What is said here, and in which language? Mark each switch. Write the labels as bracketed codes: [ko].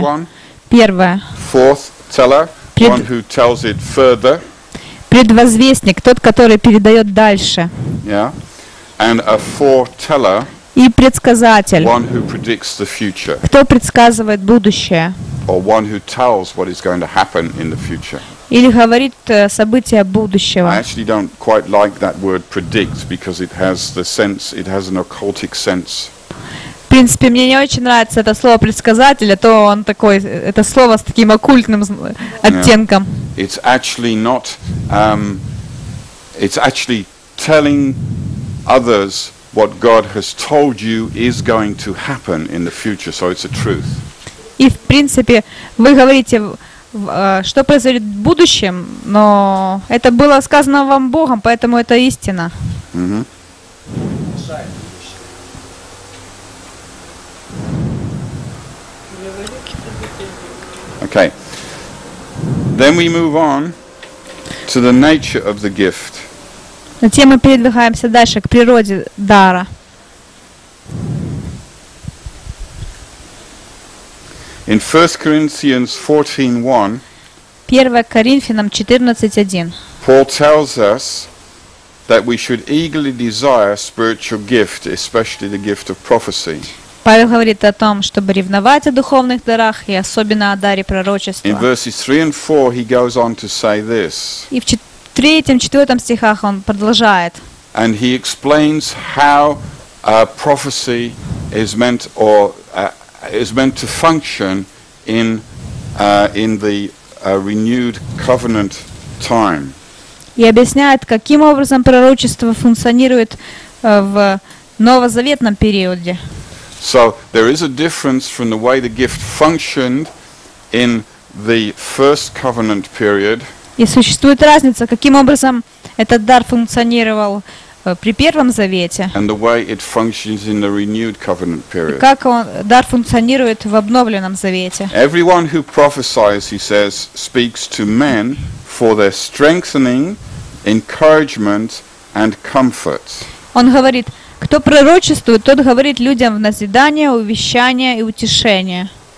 [en] First one, [ru] первое. [en] Forth teller, one who tells it further. [ru] Предвозвестник, тот, который передает дальше. [en] Yeah. And a foreteller. [ru] И предсказатель. [en] One who predicts the future. [ru] Кто предсказывает будущее. [en] or one who tells what is going to happen in the future. [ru] Или говорит события будущего. [en] I actually don't quite like that word predict because it has the sense, it has an occultic sense. [ru] В принципе, мне не очень нравится это слово предсказатель, а то он такой, это слово с таким оккультным оттенком. Yeah. [en] It's actually not, it's actually telling others what God has told you is going to happen in the future, so it's a truth. [ru] И в принципе вы говорите, что произойдет в будущем, но это было сказано вам Богом, поэтому это истина. Okay. [en] Then we move on to the nature of the gift. [ru] Затем мы передвигаемся дальше к природе дара. [en] In 1 Corinthians 14:1. [ru] 1 Коринфянам 14:1. [en] Paul tells us that we should eagerly desire spiritual gift, especially the gift of prophecy. [ru] Павел говорит о том, чтобы ревновать о духовных дарах и особенно о даре пророчества. [en] In verses 3 and 4 he goes on to say this. [ru] И в третьем, четвертом стихах он продолжает. [en] And he explains how a prophecy is meant or is meant to function in the renewed covenant time. [ru] И объясняет, каким образом пророчество функционирует в новозаветном периоде. [en] So there is a difference from the way the gift functioned in the first covenant period. [ru] И существует разница, каким образом этот дар функционировал при Первом Завете. [en] And the way it functions in the renewed covenant period. [ru] Как он дар функционирует в обновленном Завете. [en] Everyone who prophesies, he says, speaks to men for their strengthening, encouragement and comfort. [ru] Он говорит: кто пророчествует, тот говорит людям в назидание, увещание и утешение.